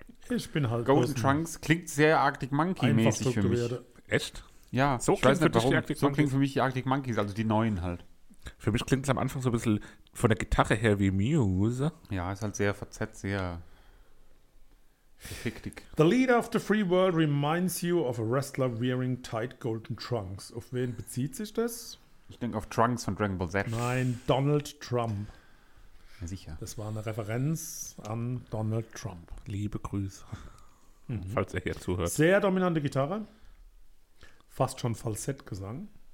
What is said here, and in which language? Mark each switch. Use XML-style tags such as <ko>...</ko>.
<de>Ich bin halt... Golden Trunks klingt sehr Arctic Monkey-mäßig für mich. Echt? Ja, so ich weiß nicht warum. So klingt für mich die Arctic Monkeys, also die neuen halt. Für mich klingt es am Anfang so ein bisschen von der Gitarre her wie Muse. Ja, ist halt sehr verzerrt, sehr... Fiktig.</de> <en>The leader of the free world reminds you of a wrestler wearing tight golden trunks.</en> <de>Auf wen bezieht sich das? Ich denke auf Trunks von Dragon Ball Z. Nein, Donald Trump. Ja, sicher. Das war eine Referenz an Donald Trump. Liebe Grüße, falls er hier zuhört. Sehr dominante Gitarre. Fast schon Falsettgesang.</de>